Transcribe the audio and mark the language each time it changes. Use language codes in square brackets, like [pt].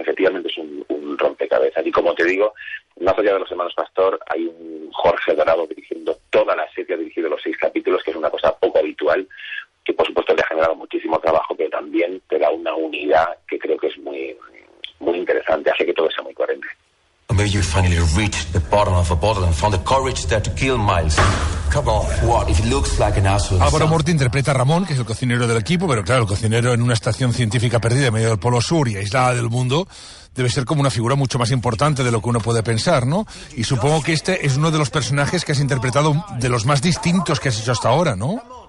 [es] Efectivamente es un rompecabezas. Y como te digo, más allá de los hermanos Pastor, hay un Jorge Dorado dirigiendo toda la serie, ha dirigido los 6 capítulos, que es una cosa poco habitual, que por supuesto le ha generado muchísimo trabajo, pero también te da una unidad que creo que es muy, muy interesante, hace que todo sea muy coherente. [en] Maybe you finally reached the bottom of a bottle and found the courage there to kill Miles. Come on, what if it looks like an asshole? [es] Álvaro Morte interpreta a Ramón, que es el cocinero del equipo, pero claro, el cocinero en una estación científica perdida en medio del Polo Sur y aislada del mundo debe ser como una figura mucho más importante de lo que uno puede pensar, ¿no? Y supongo que este es uno de los personajes que has interpretado de los más distintos que has hecho hasta ahora, ¿no?